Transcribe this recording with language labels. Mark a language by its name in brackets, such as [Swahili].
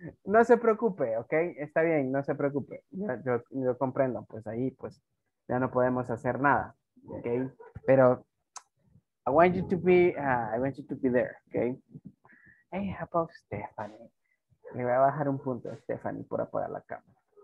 [Spanish] No se preocupe, ok, está bien, no se preocupe. Yo comprendo, pues ahí pues ya no podemos hacer nada, ok. [English] Pero I want you to be there, ok. Hey, how about Stephanie? [Spanish] Le voy a bajar un punto a Stephanie por apagar la cámara.